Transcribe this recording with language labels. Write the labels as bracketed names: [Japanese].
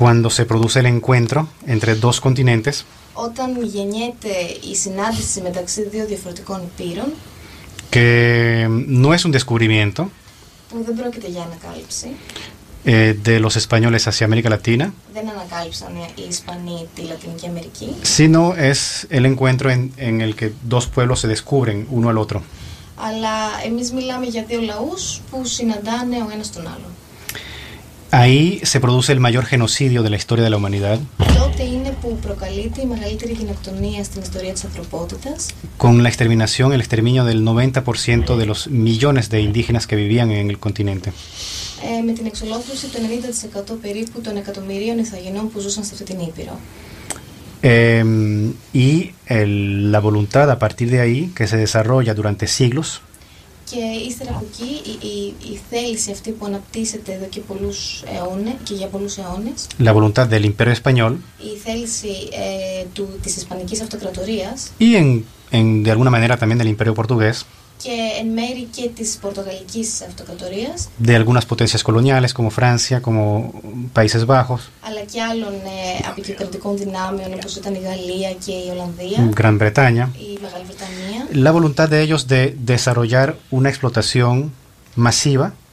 [Spanish] Cuando se produce el encuentro entre dos continentes. [Greek] Όταν γεννιέται η συνάντηση μεταξύ δύο διαφορετικών υπήρων. [Spanish] Que no es un descubrimiento. [Greek] Που δεν πρόκειται για ανακάλυψη. [Spanish] De los españoles hacia América Latina. [Greek] Δεν ανακάλυψαν οι Ισπανοί τη Λατινική Αμερική. [Spanish] Sino es el encuentro en el que dos pueblos se descubren uno al otro. [Greek] Αλλά εμείς μιλάμε για δύο λαούς που συναντάνε ο ένας τον άλλο. [Spanish] Ahí se produce el mayor genocidio de la historia de la humanidad. [Greek] Τότε είναι που προκαλείται η μεγαλύτερη γενοκτονία στην ιστορία της ανθρωπότητας. [Spanish] Con la exterminación, el exterminio del 90% de los millones de indígenas que vivían en el continente. [Greek] Με την εξολόθρωση του 90% περίπου των εκατομμυρίων ηθαγενών που ζούσαν σε αυτή την Ήπειρο. [Spanish] Y el, la voluntad a partir de ahí que se desarrolla durante siglos. [Greek] Και ύστερα από εκεί η θέληση αυτή που αναπτύσσεται εδώ και, πολλούς αιώνες, και για πολλούς αιώνες. [Spanish] La voluntad del Imperio Español. [Greek] Η θέληση της Ισπανικής Αυτοκρατορίας. [Spanish] Y en de alguna manera también del Imperio Portugués. [Greek] Και εν μέρη και της Πορτογαλικής Αυτοκρατορίας. [Spanish] De algunas potencias coloniales como Francia, como Países Bajos. [Greek] Αλλά και άλλων αποικιοκρατικών δυνάμεων όπως ήταν η Γαλλία και η Ολλανδία. [Spanish] Gran Bretaña. [Greek] Η Μεγάλη Βρετανία. [Spanish] La voluntad de ellos de desarrollar una explotación masiva.